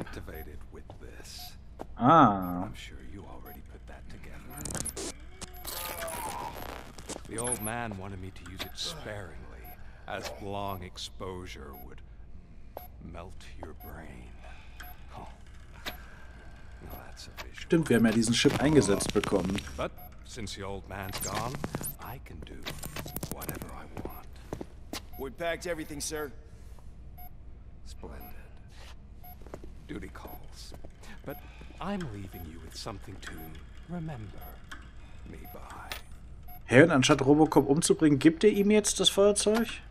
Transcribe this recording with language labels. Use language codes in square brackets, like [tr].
[en] Activated with this. Ah. I'm sure you already put that together. The old man wanted me to use it sparingly, as long exposure would melt your brain. Oh. That's a visual. [de] Stimmt, wir haben ja diesen Chip eingesetzt bekommen. [en] But since the old man's gone, I can do whatever I want. We packed everything, sir. Splendid. Duty calls. But I'm leaving you with something to remember me by. [de] Hey, und anstatt Robocop umzubringen, gibt er ihm jetzt das Feuerzeug?